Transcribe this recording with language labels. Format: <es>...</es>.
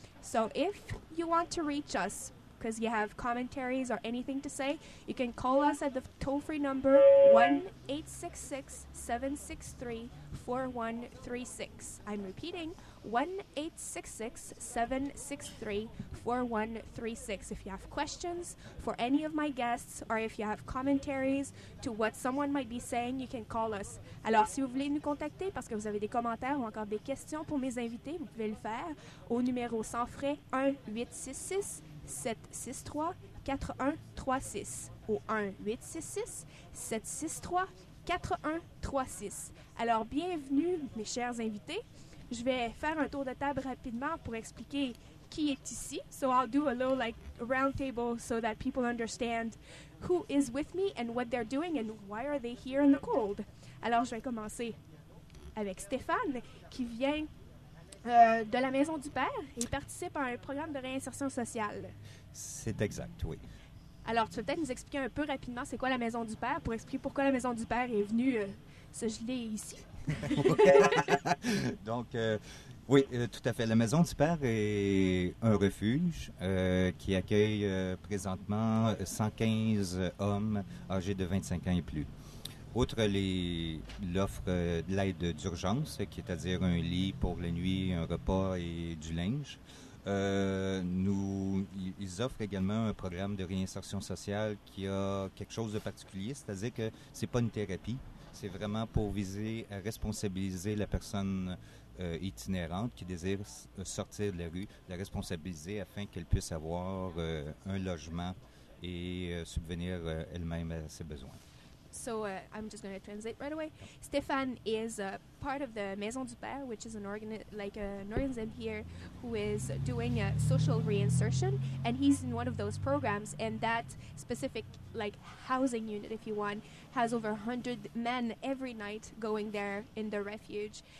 <en>So if you want to reach us because you have commentaries or anything to say, you can call us at the toll-free number 1-866-763-4136. I'm repeating, 1-866-763-4136. If you have questions for any of my guests or if you have commentaries to what someone might be saying, you can call us.</en> <fr>Alors, si vous voulez nous contacter parce que vous avez des commentaires ou encore des questions pour mes invités, vous pouvez le faire au numéro sans frais 1-866-763-4136 ou 1-866-763-4136. Alors, bienvenue, mes chers invités. Je vais faire un tour de table rapidement pour expliquer qui est ici.</fr> <en>So I'll do a little like round table so that people understand who is with me and what they're doing and why are they here in the cold.</en> <fr>Alors, je vais commencer avec Stéphane qui vient de la Maison du Père. Il participe à un programme de réinsertion sociale. C'est exact, oui. Alors, tu peux peut-être nous expliquer un peu rapidement c'est quoi la Maison du Père pour expliquer pourquoi la Maison du Père est venue se geler ici. Donc, oui, tout à fait. La Maison du Père est un refuge qui accueille présentement 115 hommes âgés de 25 ans et plus. Outre l'offre de l'aide d'urgence, qui est à dire un lit pour la nuit, un repas et du linge, ils offrent également un programme de réinsertion sociale qui a quelque chose de particulier, c'est-à-dire que c'est pas une thérapie, c'est vraiment pour viser à responsabiliser la personne itinérante qui désire sortir de la rue, la responsabiliser afin qu'elle puisse avoir un logement et subvenir elle-même à ses besoins.</fr> <en>So I'm just going to translate right away. Stéphane is part of the Maison du Père, which is an organism here who is doing social reinsertion, and he's in one of those programs. And that specific like housing unit, if you want, has over 100 men every night going there in the refuge.</en>